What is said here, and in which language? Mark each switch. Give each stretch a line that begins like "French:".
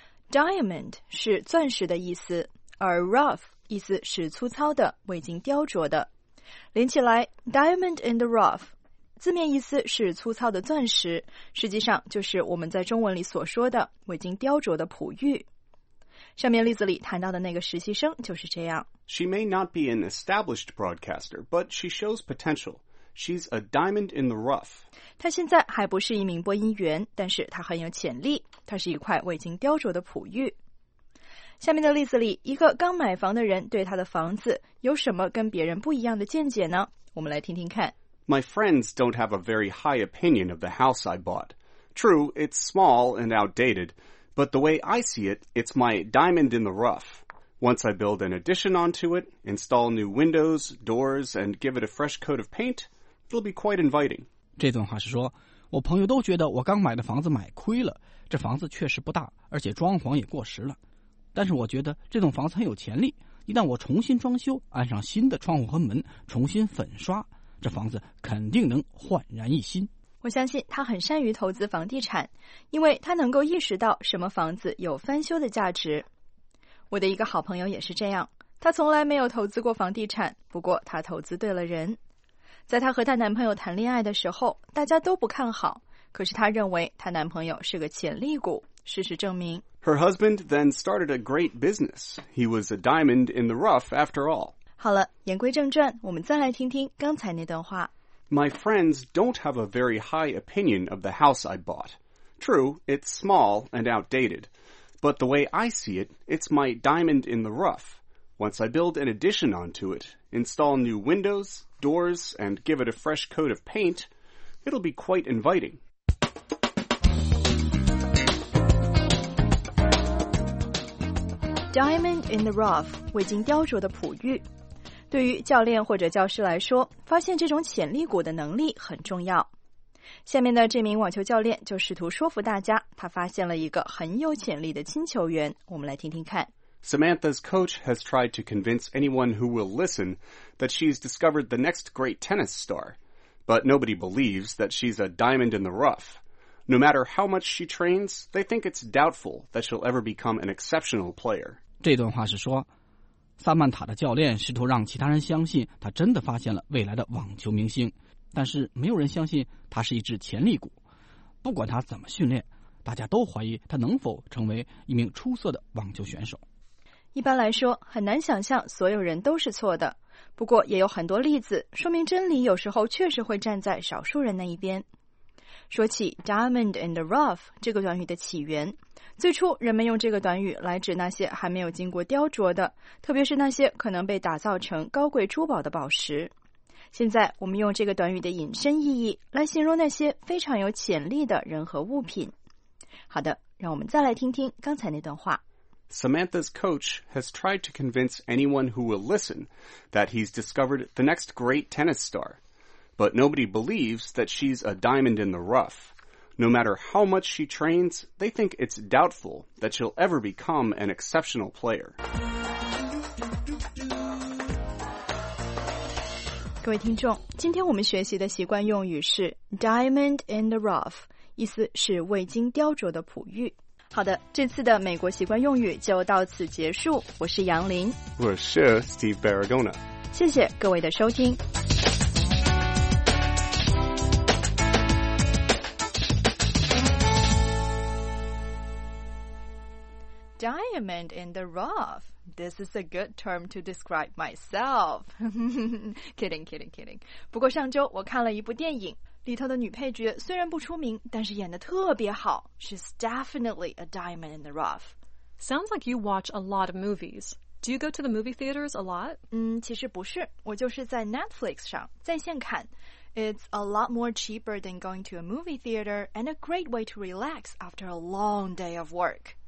Chinese: Diamond 是钻石的意思，而 rough 意思是粗糙的、未经雕琢的。连起来 ,
English: diamond in the rough,
Chinese: 字面意思是粗糙的钻石，实际上就是我们在中文里所说的未经雕琢的璞玉。上面例子里谈到的那个实习生就是这样。
English: She may not be an established broadcaster, but she shows potential. She's a diamond in the rough.
Chinese: 她现在还不是一名播音员，但是她很有潜力，她是一块未经雕琢的璞玉。下面的例子里，一个刚买房的人对他的房子有什么跟别人不一样的见解呢？我们来听听看。 My friends don't have a very high opinion of the house I bought. True, it's small and outdated, but the way I see it, it's my diamond in the rough. Once I build an addition onto it, install new windows, doors, and give it a fresh coat of paint, it'll be quite inviting. 这段话是说，我朋友都觉得我刚买的房子买亏了，这房子确实不大，而且装潢也过时了。但是我觉得这栋房子很有潜力，一旦我重新装修，安上新的窗户和门，重新粉刷，这房子肯定能焕然一新。我相信他很善于投资房地产，因为他能够意识到什么房子有翻修的价值。我的一个好朋友也是这样，他从来没有投资过房地产，不过他投资对了人。在他和他男朋友谈恋爱的时候，大家都不看好，可是他认为他男朋友是个潜力股，事实证明。
English: Her husband then started a great business. He was a diamond in the rough after all.
Chinese: 好了，言归正传，我们再来听听刚才那段话。
English: My friends don't have a very high opinion of the house I bought. True, it's small and outdated. But the way I see it, it's my diamond in the rough. Once I build an addition onto it, install new windows, doors, and give it a fresh coat of paint, it'll be quite inviting. Diamond in the rough,
Chinese: 未经雕琢的璞玉。对于教练或者教师来说，发现这种潜力股的能力很重要。下面的这名网球教练就试图说服大家，他发现了一个很有潜力的新球员。我们来听听看。
English: Samantha's coach has tried to convince anyone who will listen that she's discovered the next great tennis star. But nobody believes that she's a diamond in the rough. No matter how much she trains, they think it's doubtful that she'll ever become an exceptional player.
Chinese: 这段话是说，萨曼塔的教练试图让其他人相信他真的发现了未来的网球明星，但是没有人相信他是一只潜力股。不管他怎么训练，大家都怀疑他能否成为一名出色的网球选手。一般来说，很难想象所有人都是错的，不过也有很多例子说明真理有时候确实会站在少数人那一边。说起
English: diamond in the rough
Chinese: 这个短语的起源，最初人们用这个短语来指那些还没有经过雕琢的，特别是那些可能被打造成高贵珠宝的宝石。现在我们用这个短语的引申意义来形容那些非常有潜力的人和物品。好的，让我们再来听听刚才那段话。
English: Samantha's coach has tried to convince anyone who will listen that he's discovered the next great tennis star. But nobody believes that she's a diamond in the rough. No matter how much she trains, they think it's doubtful that she'll ever become an exceptional player.
Chinese: 各位听众，今天我们学习的习惯用语是
English: diamond in the rough,
Chinese: 意思是未经雕琢的璞玉。好的，这次的美国习惯用语就到此结束。我是杨林。我是 Steve Barragona。谢谢各位的收听。
English: Diamond in the rough. This is a good term to describe myself. Kidding, kidding, kidding.
Chinese: 不过上周我看了一部电影，里头的女配角虽然不出名，但是演得特别好。
English: She's definitely a diamond in the rough. Sounds like you watch a lot of movies. Do you go to the movie theaters a lot?
Chinese: 其实不是，我就是在 Netflix 上在线看。
English: It's a lot more cheaper than going to a movie theater and a great way to relax after a long day of work.